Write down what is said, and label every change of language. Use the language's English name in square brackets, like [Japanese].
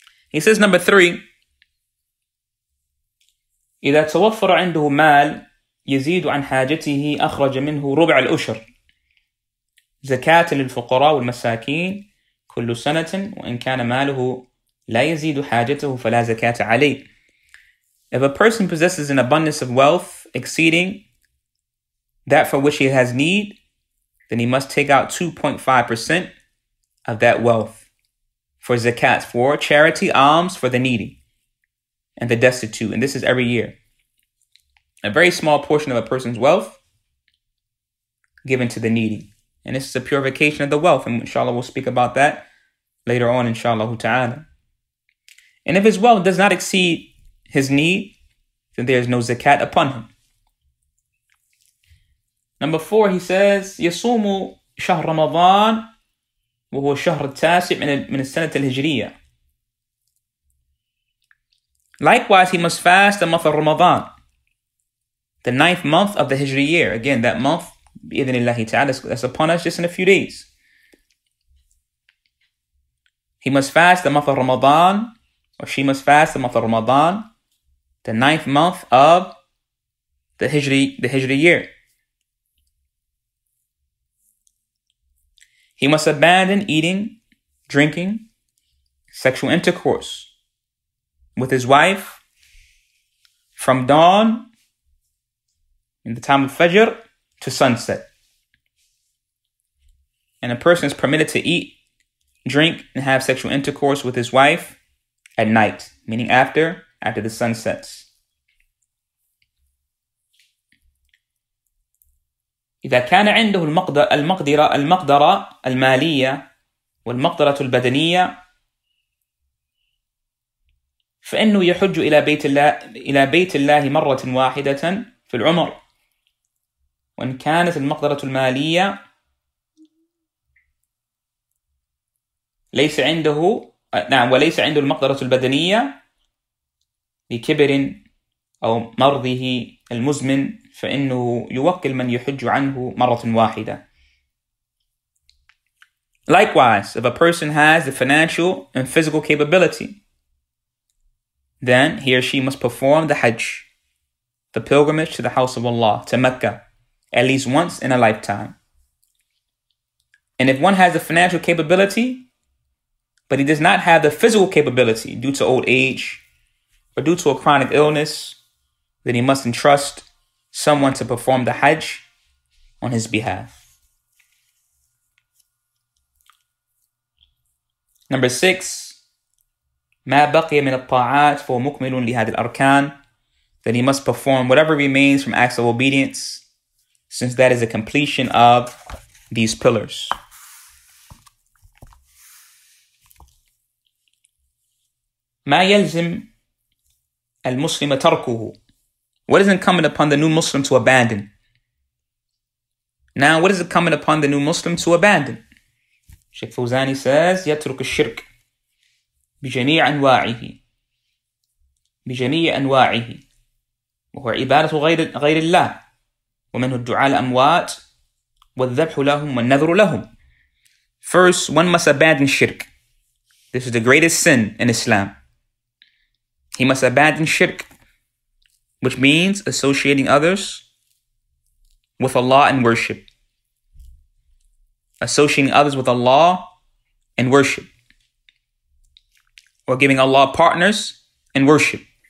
[English] He says, number three, [Arabic] إِذَا تَوَفَّرَ عِنْدُهُ مَالٌ يَزِيدُ عَنْ حَاجَتِهِ أَخْرَجَ مِنْهُ رُبْعَ الْأُشْرِ زَكَاةٍ لِلْفُقَرَى وَالْمَسَاكِينَ كُلُّ سَنَةٍ وَإِنْ كَانَ مَالُهُ لَا يَزِيدُ حَاجَتَهُ فَلَا زَكَاةَ عَلَيْهِ. [English] If a person possesses an abundance of wealth exceeding that for which he has need, then he must take out 2.5% of that wealth for zakat, for charity, alms for the needy and the destitute. And this is every year. A very small portion of a person's wealth given to the needy. And this is a purification of the wealth. And inshallah, we'll speak about that later on, inshallah ta'ala. And if his wealth does not exceed his need, then there is no zakat upon him. Number four, he says, [Arabic] يَصُومُ شَهْرَ رَمَضَانَ وَهُوَ شَهْرَ التَّاسِعِ مِنَ السَّنَةِ الْهِجْرِيَّةِ. [English] Likewise, he must fast the month of Ramadan, the ninth month of the Hijri year. Again, that month, [Arabic] بِإِذْنِ اللَّهِ تَعَالَى, [English] that's upon us just in a few days. He must fast the month of Ramadan, or she must fast the month of Ramadan, the ninth month of the Hijri year. He must abandon eating, drinking, sexual intercourse with his wife from dawn in the time of Fajr to sunset. And a person is permitted to eat, drink, and have sexual intercourse with his wife at night, meaning after the sun sets. [Arabic] إذا كان عنده المقدرة المالية والمقدرة البدنية فإنه يحج إلى بيت الله مرة واحدة في العمر وإن كانت المقدرة المالية ليس عنده نعم وليس عنده المقدرة البدنية لكبر أو مرضه المزمن فإنه يوكل من يحج عنه مرة واحدة. [English] Likewise, if a person has the financial and physical capability, then he or she must perform the Hajj, the pilgrimage to the house of Allah, to Mecca, at least once in a lifetime. And if one has the financial capability, but he does not have the physical capability due to old age or due to a chronic illness, then he must entrust someone to perform the Hajj on his behalf. Number six, [Arabic] ما بقي من الطاعات فهو مكمل لهذه الأركان. [English] Then he must perform whatever remains from acts of obedience, since that is a completion of these pillars. [Arabic] ما يلزم المسلم تركه. [English] What is incumbent upon the new Muslim to abandon? Now, what is incumbent upon the new Muslim to abandon? Sheikh Fawzani says, [Arabic] يترك الشرك بجميع أنواعه بجميع أنواعه وهو عبادة غير الله ومنه الدعاء الأموات والذبح لهم والنذر لهم. [English] First, one must abandon shirk. This is the greatest sin in Islam. He must abandon shirk, which means associating others with Allah and worship. Associating others with Allah and worship. Or giving Allah partners in worship.